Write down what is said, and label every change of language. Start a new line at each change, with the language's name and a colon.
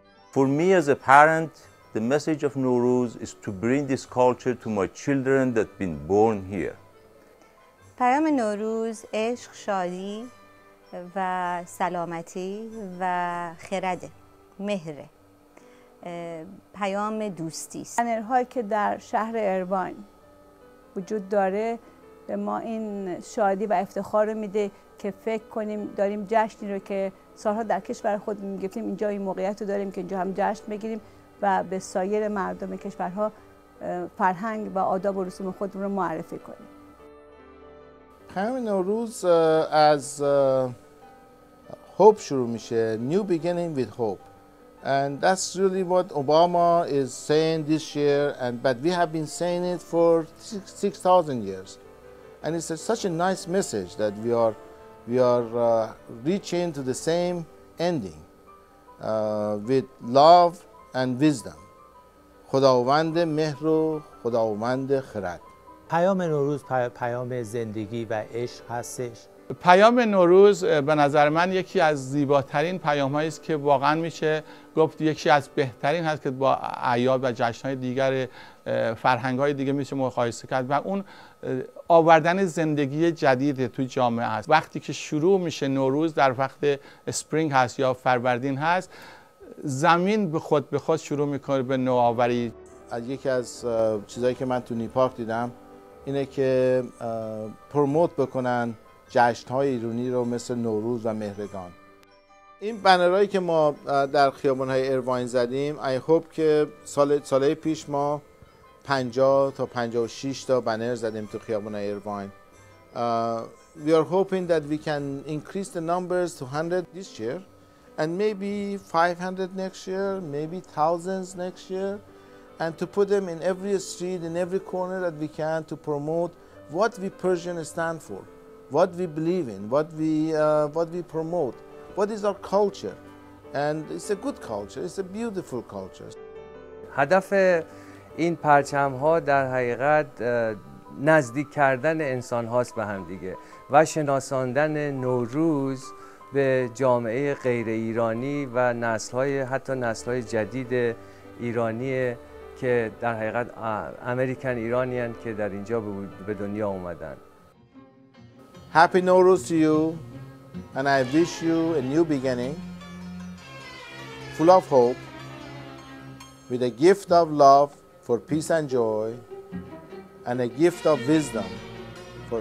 English: For me as a parent, the message of Nowruz is to bring this culture to my children that been born here.
Persian: پیام نوروز عشق، شادی و سلامتی و خرد، مهره. پیام دوستی است. بنرهایی که در شهر ایروان وجود داره به ما این شادی و افتخار رو میده که فکر کنیم داریم جشنی رو که سالها در کشور خود میگفتیم اینجا این موقعیت رو داریم که اینجا هم جشن بگیریم و به سایر مردم کشورها فرهنگ و آداب و رسوم خود رو معرفی کنیم. پیام نوروز از هوپ شروع میشه.
English: New beginning with hope. And that's really what Obama is saying this year, but we have been saying it for 6,000 years. And it's such a nice message that we are reaching to the same ending with love and wisdom.
Persian: خداوند مهر و خداوند خرد. پیام نوروز پیام زندگی و عشق هستش. پیام نوروز به نظر من یکی از زیباترین پیام هایی است که واقعا میشه گفت یکی از بهترین هست که با اعیاد و جشن های دیگر فرهنگ های دیگه میشه مقایسه کرد و اون آوردن زندگی جدید تو جامعه است. وقتی که شروع میشه نوروز در وقت اسپرینگ هست یا فروردین هست، زمین به خود شروع میکنه به نوآوری. از یکی از چیزایی که من تو نیپاک دیدم اینه که پروموت بکنن جشن های ایرانی رو مثل نوروز و مهرگان. این بنرهایی که ما در خیابان های ایروان زدیم،
English: I hope
Persian: که سال پیش ما 50 تا 56 تا بنر زدیم تو خیابان های ایروان.
English: We are hoping that we can increase the numbers to 100 this year and maybe 500 next year, maybe thousands next year, and to put them in every street, in every corner that we can to promote what we Persian stand for, what we believe in, what we promote, what is our culture, and it's a good culture, it's a beautiful culture.
Persian: هدف این پرچم ها در حقیقت نزدیک کردن انسان هاست به هم دیگه و شناساندن نوروز به جامعه غیر ایرانی و نسل های حتی نسل های جدید ایرانی که در حقیقت امریکن ایرانی هستند که در اینجا به دنیا اومدن.
English: Happy Nowruz to you, and I wish you a new beginning, full of hope, with a gift of love for peace and joy, and a gift of wisdom for health and wealth.